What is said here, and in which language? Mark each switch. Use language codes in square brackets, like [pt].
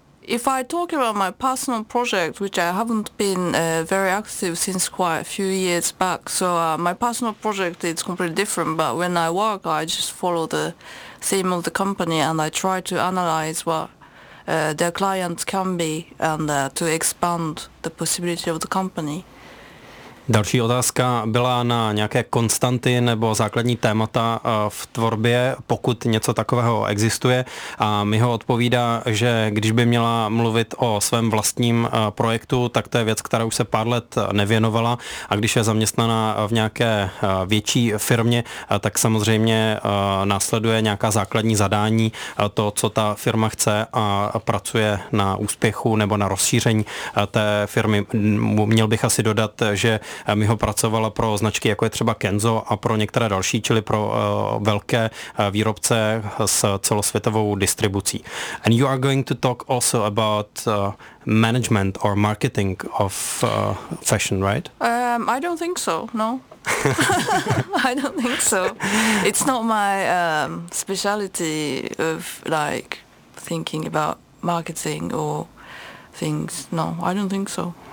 [en] If I talk about my personal project, which I haven't been very active since quite a few years back, so my personal project is completely different, but when I work, I just follow the theme of the company and I try to analyze what their clients can be and to expand the possibility of the company. [cs] Další otázka byla na nějaké konstanty nebo základní témata v tvorbě, pokud něco takového existuje. A Miho odpovídá, že když by měla mluvit o svém vlastním projektu, tak to je věc, která už se pár let nevěnovala. A když je zaměstnaná v nějaké větší firmě, tak samozřejmě následuje nějaká základní zadání, to, co ta firma chce, a pracuje na úspěchu nebo na rozšíření té firmy. Měl bych asi dodat, že Miho pracovala pro značky, jako je třeba Kenzo, a pro některé další, čili pro velké výrobce s celosvětovou distribucí. [en] And you are going to talk also about management or marketing of fashion, right? I don't think so, no. I don't think so. It's not my speciality of like thinking about marketing or things, no, I don't think so.